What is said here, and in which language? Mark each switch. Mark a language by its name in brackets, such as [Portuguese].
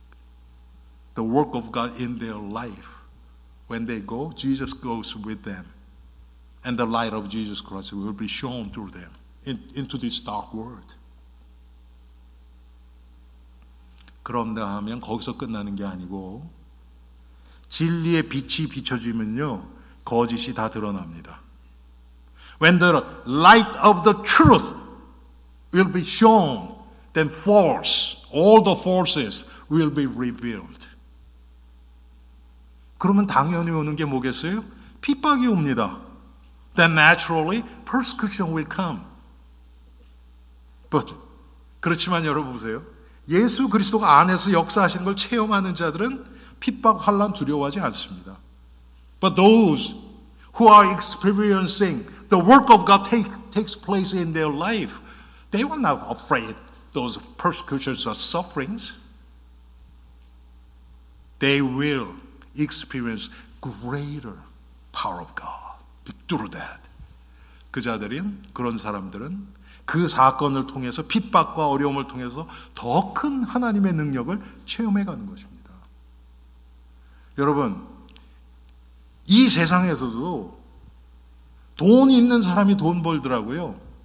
[English] When those people who's been experiencing the work of God in their life, when they go, Jesus goes with them. And the light of Jesus Christ will be shown through them into this dark world. [Korean] 그런다 하면 거기서 끝나는 게 아니고 진리의 빛이 비춰지면요 거짓이 다 드러납니다. [English] When the light of the truth will be shown, then false, all the forces will be revealed. [Korean] 그러면 당연히 오는 게 뭐겠어요? 핍박이 옵니다. [English] Then naturally, persecution will come. But, [Korean] 그렇지만 여러분 보세요. 예수 그리스도가 안에서 역사하시는 걸 체험하는 자들은 핍박, 환란 두려워하지 않습니다. [English] But those who are experiencing the work of God takes place in their life, they were not afraid those persecutions or sufferings. They will experience greater power of God through that. [Korean] 그런 사람들은 그 사건을 통해서 핍박과 어려움을 통해서 더 큰 하나님의 능력을 체험해 가는 것입니다. 여러분, 이 세상에서도 돈이 있는 사람이 돈 벌더라고요.